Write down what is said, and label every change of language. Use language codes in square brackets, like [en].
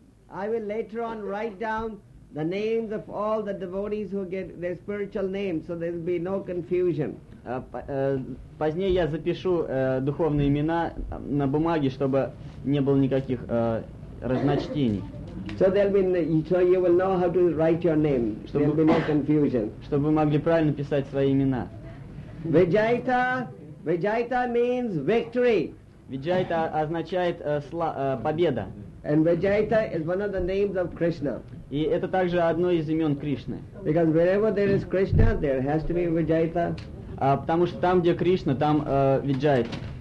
[en] I will later on write down the names of all the devotees who get their spiritual names, so there will be no confusion. [ru] Позднее я запишу духовные имена на бумаге, чтобы не было никаких разночтений. [en] So there'll be so you will know how to write your name. There'll be no confusion. [ru] Чтобы могли правильно писать свои имена. [en] Vijayita means victory. [ru] Vijayita означает победа. [en] And Vijayita is one of the names of Krishna. [ru] И это также одно из имен Кришны. [en] Because wherever there is Krishna, there has to be Vijayita. [ru] Потому что там, где Кришна, там Vijayita.